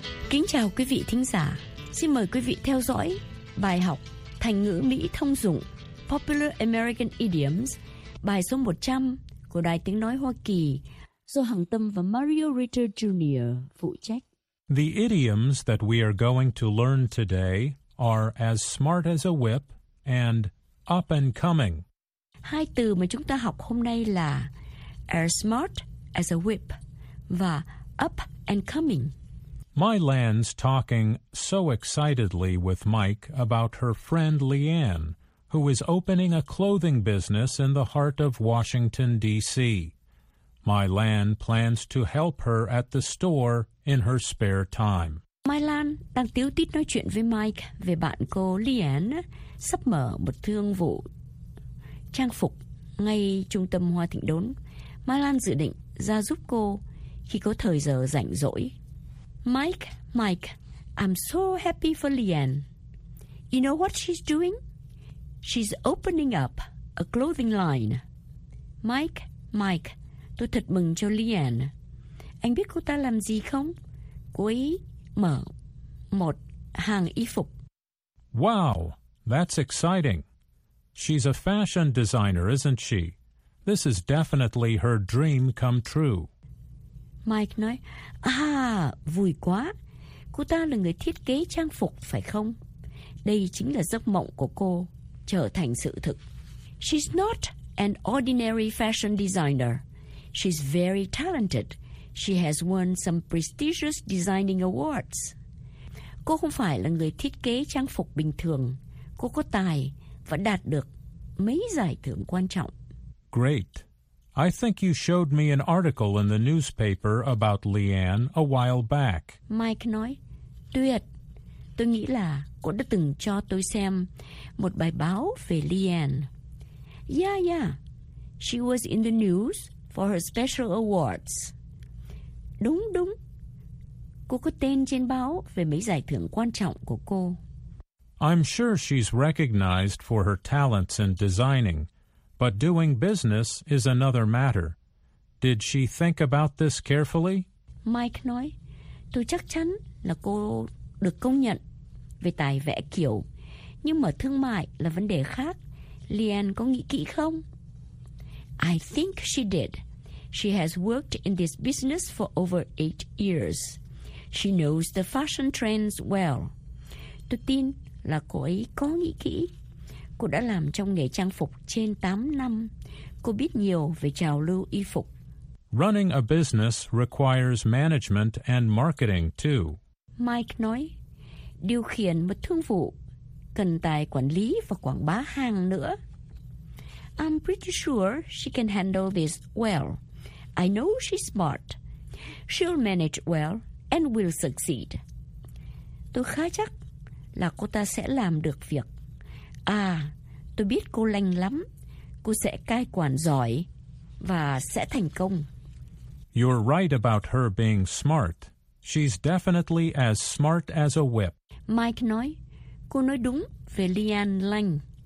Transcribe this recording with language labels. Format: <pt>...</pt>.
<vi>Kính chào quý vị thính giả. Xin mời quý vị theo dõi bài học thành ngữ Mỹ thông dụng</vi> <en>Popular American Idioms,</en> <vi>bài số 100 của Đài Tiếng Nói Hoa Kỳ do Hằng Tâm và Mario Ritter Jr. phụ trách.</vi> <en>The idioms that we are going to learn today are as smart as a whip and up and coming.</en> <vi>Hai từ mà chúng ta học hôm nay là</vi> <en>as smart as a whip</en> <vi>và</vi> <en>up and coming. My Lan's talking so excitedly with Mike about her friend Leanne, who is opening a clothing business in the heart of Washington, D.C. My Lan plans to help her at the store in her spare time.</en> <vi>My Lan đang tíu tít nói chuyện với Mike về bạn cô Leanne sắp mở một thương vụ trang phục ngay trung tâm Hoa Thịnh Đốn. My Lan dự định ra giúp cô khi có thời giờ rảnh rỗi.</vi> <en>Mike, I'm so happy for Leanne. You know what she's doing? She's opening up a clothing line.</en> <vi>Mike, tôi thật mừng cho Leanne. Anh biết cô ta làm gì không? Cô ấy mở một hàng y phục.</vi> <en>Wow, that's exciting. She's a fashion designer, isn't she? This is definitely her dream come true.</en> <vi>Mike nói, vui quá. Cô ta là người thiết kế trang phục, phải không? Đây chính là giấc mộng của cô, trở thành sự thực.</vi> <en>She's not an ordinary fashion designer. She's very talented. She has won some prestigious designing awards.</en> <vi>Cô không phải là người thiết kế trang phục bình thường. Cô có tài và đạt được mấy giải thưởng quan trọng.</vi> <en>Great. I think you showed me an article in the newspaper about Leanne a while back.</en> <vi>Mike nói, tuyệt. Tôi nghĩ là cô đã từng cho tôi xem một bài báo về Leanne.</vi> <en>Yeah. She was in the news for her special awards.</en> <vi>Đúng. Cô có tên trên báo về mấy giải thưởng quan trọng của cô.</vi> <en>I'm sure she's recognized for her talents in designing. But doing business is another matter. Did she think about this carefully?</en> <vi>Mike nói, tôi chắc chắn là cô được công nhận về tài vẽ kiểu. Nhưng mà thương mại là vấn đề khác. Leanne có nghĩ kỹ không?</vi> <en>I think she did. She has worked in this business for over 8 years. She knows the fashion trends well.</en> <vi>Tôi tin là cô ấy có nghĩ kỹ. Cô đã làm trong nghề trang phục trên 8 năm. Cô biết nhiều về trào lưu y phục.</vi> <en>Running a business requires management and marketing too.</en> <vi>Mike nói, điều khiển một thương vụ cần tài quản lý và quảng bá hàng nữa.</vi> <en>I'm pretty sure she can handle this well. I know she's smart. She'll manage well and will succeed.</en> <vi>Tôi khá chắc là cô ta sẽ làm được việc. Tôi biết cô lành lắm. Cô sẽ cai quản giỏi và sẽ thành công.</vi> <en>You're right about her being smart. She's definitely as smart as a whip.</en> <vi>Mike nói, cô nói đúng về Leanne Lang.</vi>